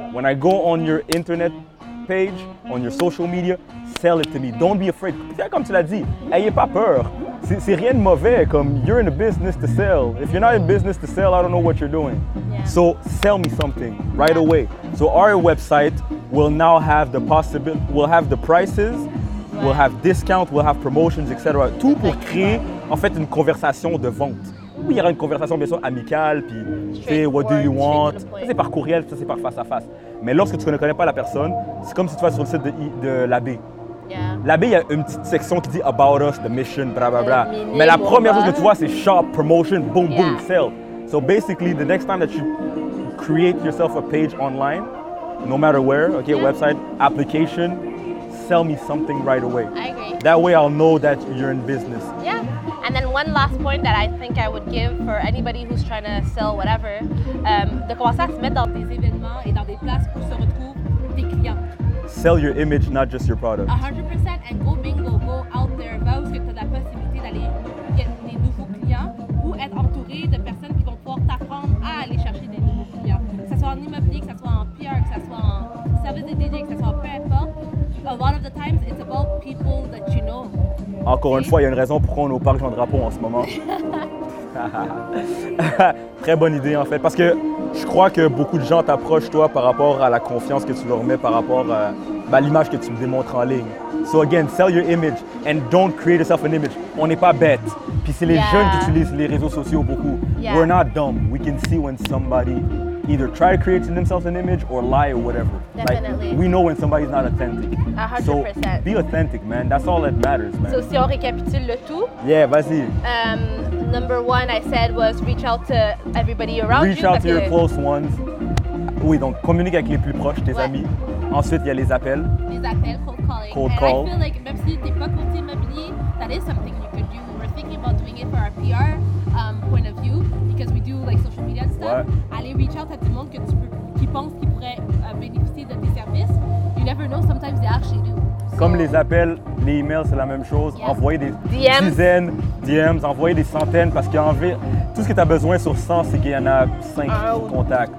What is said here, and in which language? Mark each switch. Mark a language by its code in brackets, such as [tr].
[en] When I go on your internet page, on your social media, sell it to me. Don't be afraid. [fr] Comme tu l'as dit, n'ayez pas peur. C'est rien de mauvais, comme [en] you're in a business to sell. If you're not in business to sell, I don't know what you're doing. Yeah. So sell me something right away. So our website will now have the possibility, will have the prices, we'll have discounts, we'll have promotions, etc. [fr] Tout pour créer, en fait, une conversation de vente. Oui, il y aura une conversation, bien sûr, amicale, puis, tu sais, [en] what do you want? [fr] Ça, c'est par courriel, ça, c'est par face à face. Mais lorsque tu ne connais pas la personne, c'est comme si tu vas sur le site de l'AB. [en] Yeah. [fr] L'AB, il y a une petite section qui dit [en] about us, the mission, [fr] blablabla. Mais la première chose que tu vois, c'est [en] shop, promotion, boom, boom, sell. So basically, the next time that you create yourself a page online, no matter where, okay, website, application, sell me something right away. I agree. That way I'll know that you're in business. Yeah. And then one last point that I think I would give for anybody who's trying to sell whatever, [fr] de commencer à se mettre dans des événements et dans des places où se retrouvent tes clients. [en] Sell your image, not just your product. [fr] 100% [en] and go bingo, go out there, [fr] va où tu as la possibilité d'aller get des nouveaux clients ou être entouré de personnes qui vont pouvoir t'apprendre à aller chercher des nouveaux clients. Que ce soit en immobilier, que ce soit en PR, que ce soit en service de DJ, que ce soit peu importe. [en] A lot of the times, it's about people that you know. [fr] Encore une fois, il y a une raison pourquoi on est au parc Jean-Drapeau en ce moment. Très bonne idée en fait, parce que je crois que beaucoup de gens t'approchent toi par rapport à la confiance que tu leur mets, par rapport à l'image que tu me démontres en ligne. [en] So again, sell your image and don't create yourself an image. [fr] On n'est pas bêtes. Puis c'est les jeunes qui utilisent les réseaux sociaux beaucoup. [en] Yeah. We're not dumb. We can see when somebody either try to create themselves an image or lie or whatever. Definitely. Like, we know when somebody's not authentic. 100%. So be authentic, man. That's all that matters, man. [fr] So si on récapitule le tout. Yeah, vas-y. [en] Number one I said was reach out to everybody around reach you. Reach out to your close ones. [fr] Oui, donc communique avec les plus proches, tes amis. Ensuite, il y a les appels. Les appels, cold calling. [en] Cold and call. I feel like [fr] même si t'es pas côté immobilier, [en] that is something you could do. We're thinking about doing it for our PR point of view, because we do like social media stuff. [fr] Ouais. Aller reach out à tout le monde que tu peux, qui pense qu'ils pourraient bénéficier de tes services. [en] You never know, sometimes they actually do. [fr] Comme les appels, les emails, c'est la même chose. [en] Yes. [fr] Envoyer des dizaines, DMs, envoyer des centaines, parce qu'il y a tout ce que tu as besoin sur 100, c'est qu'il y en a 5 contacts.